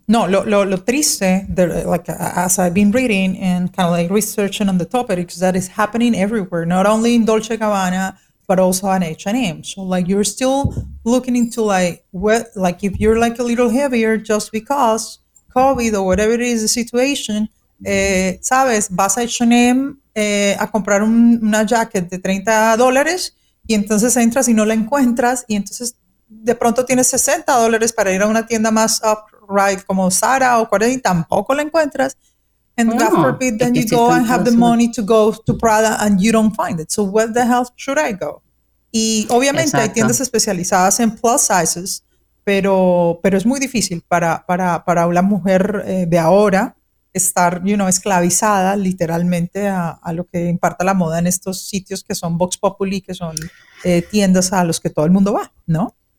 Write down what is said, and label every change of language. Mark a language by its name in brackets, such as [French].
[Spanish] No, lo triste, [English] like as I've been reading and kind of like researching on the topic, is that it's happening everywhere, not only in Dolce Gabbana, but also on H&M. So like you're still looking into like what, like if you're like a little heavier just because COVID or whatever it is the situation, [Spanish] sabes, vas a H&M a comprar una jacket de $30 y entonces entras y no la encuentras y entonces de pronto tienes $60 para ir a una tienda más upright como Zara o Cuarenta y tampoco la encuentras. [English] And God forbid, then you go and have the money to go to Prada and you don't find it. So where the hell should I go? [Spanish] Y obviamente exacto. hay tiendas especializadas en plus sizes, pero es muy difícil para una mujer de ahora estar, you know, esclavizada literalmente a lo que imparta la moda en estos sitios que son Vox Populi, que son tiendas a los que todo el mundo va, ¿no?